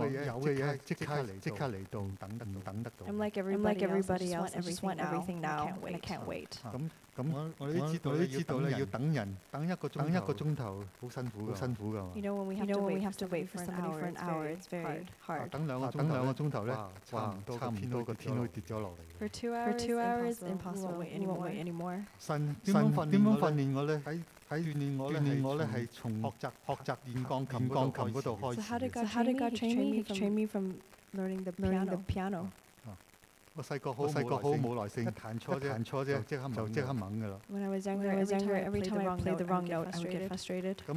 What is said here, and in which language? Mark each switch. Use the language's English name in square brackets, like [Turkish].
[Cantonese] 我同好多人一樣，希望有嘅嘢即刻嚟到，唔等得到。 [English] I'm like everybody else, I just want everything now, and I can't wait. [Cantonese] 咁我哋知道咧，要等人等一個鐘頭，好辛苦㗎。 [English] You know when we have to wait for somebody for an hour, it's very hard. [Cantonese] 等兩個鐘頭咧，差唔多個天都跌咗落嚟。 [English] For two hours, impossible. We won't wait anymore. [Cantonese] 神點樣訓練我咧？鍛鍊我咧係從學習鍵鋼琴嗰度開始。 [English] So how did God train me? He trained me from learning the piano. [Cantonese] 我細個好冇耐性，彈錯啫，即刻猛㗎啦。 [English] When I was younger, every time I played the wrong note, I would get frustrated.